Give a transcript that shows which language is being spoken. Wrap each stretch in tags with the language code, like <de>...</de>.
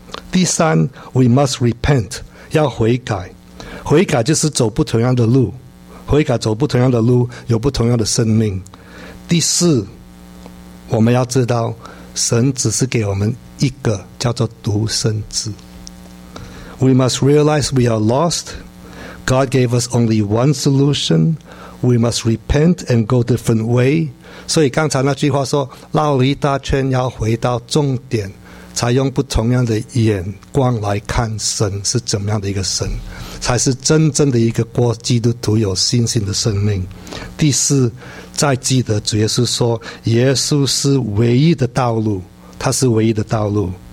<zh>第三，</zh> <en>We must repent，</en> <zh>要悔改，悔改就是走不同样的路，悔改走不同样的路，有不同样的生命。第四，我们要知道神只是给我们一个叫做独生子。</zh> <en>We must realize we are lost. God gave us only one solution. We must repent and go different way.</en> <zh>所以刚才那句话说，绕了一大圈要回到终点，才用不同样的眼光来看神是怎么样的一个神，才是真正的一个过基督徒有信心的生命。第四，再记得主耶稣说，耶稣是唯一的道路，他是唯一的道路。</zh>